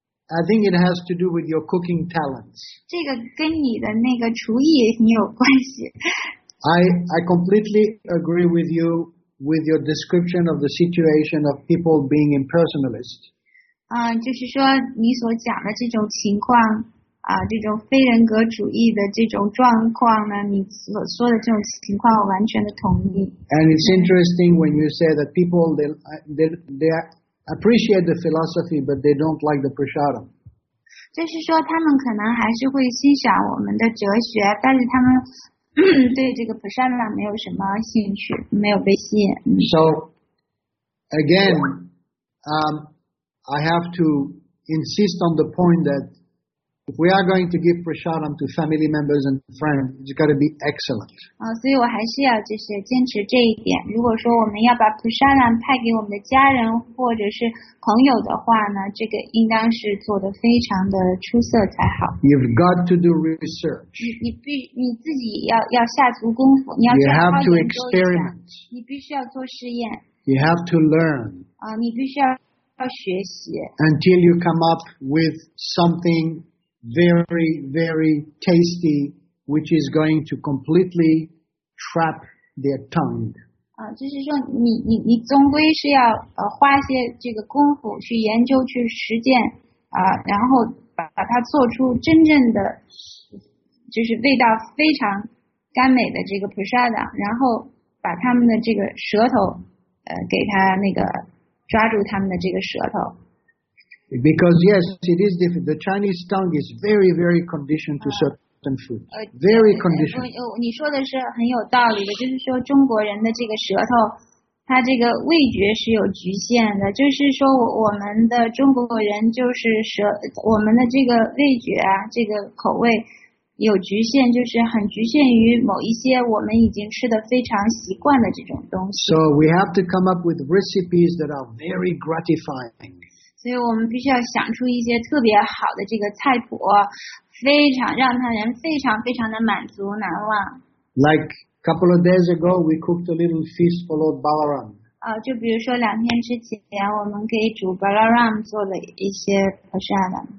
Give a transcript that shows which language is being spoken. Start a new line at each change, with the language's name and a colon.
English: I think it has to do with your cooking talents.
Chinese: 这个跟你的那个厨艺你有关系。
English: I completely agree with you with your description of the situation of people being impersonalist.
Chinese: 就是说你所讲的这种情况啊，这种非人格主义的这种状况呢，你所说的这种情况，我完全的同意。
English: And it's interesting when you say that people they appreciate the philosophy, but they don't like the prasadam.
Chinese: 就是说，他们可能还是会欣赏我们的哲学，但是他们对这个 prasadam 没有什么兴趣，没有被吸引。
English: So again, I have to insist on the point that if we are going to give prasadam to family members and friends, it's got to be excellent.
Chinese: 所以我还是要就是坚持这一点。如果说我们要把 prasadam 派给我们的家人或者是朋友的话呢，这个应当是做得非常的出色才好。
English: You've got to do research.
Chinese: 你自己要下足功夫，你要去好研究一下。你必须要做实验。
English: You have to learn.
Chinese: 你必须要学习。
English: Until you come up with something very, very tasty, which is going to completely trap their tongue.
Chinese: 就是说你终归是要花些这个功夫去研究去实践然后把它做出真正的就是味道非常甘美的这个 prasadam, 然后把他们的这个舌头给他那个抓住他们的这个舌头。
English: Because yes, it is different. The Chinese tongue is very, very conditioned to certain foods. Very conditioned.
Chinese: 你说的是很有道理的，就是说中国人的这个舌头，它这个味觉是有局限的。就是说我们的中国人就是舌，我们的这个味觉啊，这个口味有局限，就是很局限于某一些我们已经吃的非常习惯的这种东西。
English: So we have to come up with recipes that are very gratifying.
Chinese: 所以我们必须要想出一些特别好的这个菜谱，非常让他人非常非常的满足难忘。
English: Like a couple of days ago, we cooked a little feast for Lord Balaram.
Chinese: 就比如说两天之前，我们给主 Balaram 做了一些 prasadam.